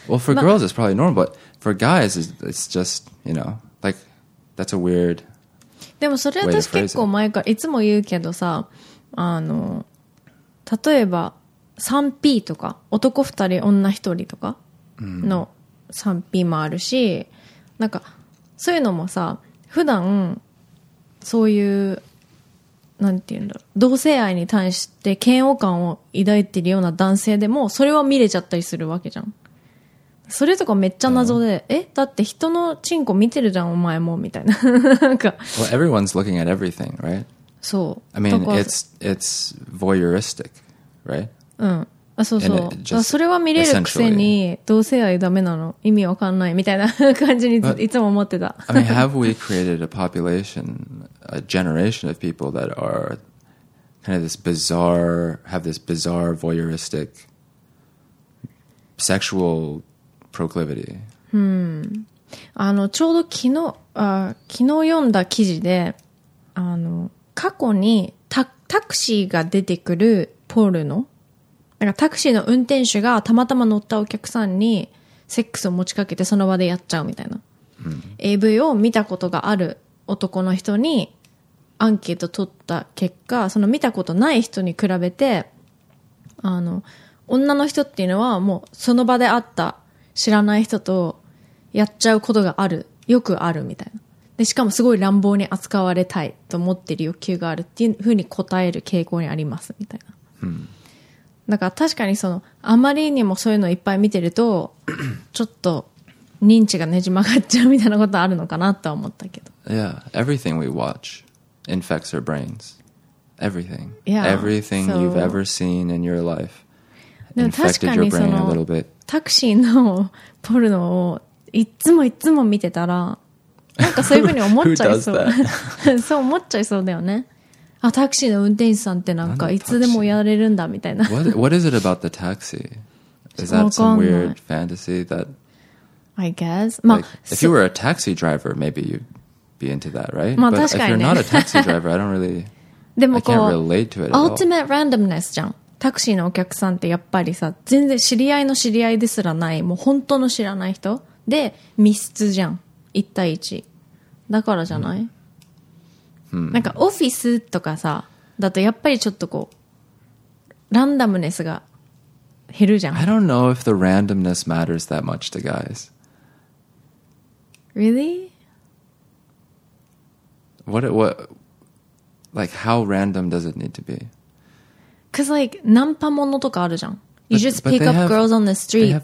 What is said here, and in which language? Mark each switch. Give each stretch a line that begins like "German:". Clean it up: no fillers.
English: Well, for girls, it's probably normal, but for guys, it's just, you know, like, that's a weird
Japanese: でもそれ私結構前からいつも言うけどさ、あの、例えば 3P とか、男2人、女1人とかの 3P もあるし、うんなんかそういうのもさ普段そういうなんていうんだろう同性愛に対して嫌悪感を抱いてるような男性でもそれは見れちゃったりするわけじゃんそれとかめっちゃ謎で、うん、えだって人のチンコ見てるじゃんお前もみたいななんか
English: Well, everyone's looking at everything, right?
Japanese: そう
English: I mean, it's voyeuristic, right?
Japanese: うんあそうそう。あそれは見れるくせに同性愛ダメなの意味わかんないみたいな感じにいつも思ってた。
English: I mean, have we created a population, a generation of people that are kind of this bizarre, have this bizarre voyeuristic sexual proclivity?
Japanese: あのちょうど昨日読んだ記事で、あの過去にタクシーが出てくるポルノ。なんかタクシーの運転手がたまたま乗ったお客さんにセックスを持ちかけてその場でやっちゃうみたいな、うん、 AV を見たことがある男の人にアンケート取った結果その見たことない人に比べてあの女の人っていうのはもうその場で会った知らない人とやっちゃうことがあるよくあるみたいなでしかもすごい乱暴に扱われたいと思ってる欲求があるっていうふうに答える傾向にありますみたいな、うんだから確かにそのあまりにもそういうのいっぱい見てるとちょっと認知がねじ曲がっちゃうみたいなことあるのかなとは思ったけど
English: Yeah, everything we watch infects our brains Everything yeah, Everything so... you've ever seen in your life infected your brain a little bit
Japanese: タクシーのポルノをいつも見てたらなんかそういうふうに思っちゃいそうそう思っちゃいそうだよねあタクシーの運転手さんってなんかいつでもやれるんだみたいな
English: What is it about the taxi? Is that some weird fantasy that I guess like,
Japanese: まあ、
English: If you were a taxi driver maybe you'd be into that, right?
Japanese: まあ確かにね
English: But if you're not a taxi driver I don't really
Japanese: でもこう
English: I can't relate to it at all Ultimate randomness
Japanese: じゃんタクシーのお客さんってやっぱりさ全然知り合いの知り合いですらないもう本当の知らない人で密室じゃん一対一だからじゃない、うんなんかオフィスとかさだとやっぱりちょっとこうランダムネスが減るじゃん
English: I don't know if the randomness matters that much to guys Really? What like how random does it need to be? Because like,
Japanese: ナンパものとかあるじゃん。
English: You just pick up girls on the street.